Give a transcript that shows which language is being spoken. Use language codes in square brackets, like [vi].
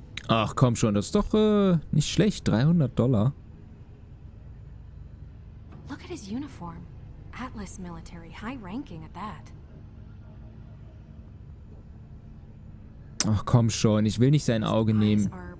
[de] Ach komm schon, das ist doch nicht schlecht. $300. [en] Look at his uniform. Atlas military, high ranking at that. [de] Ach komm schon, ich will nicht sein Auge nehmen.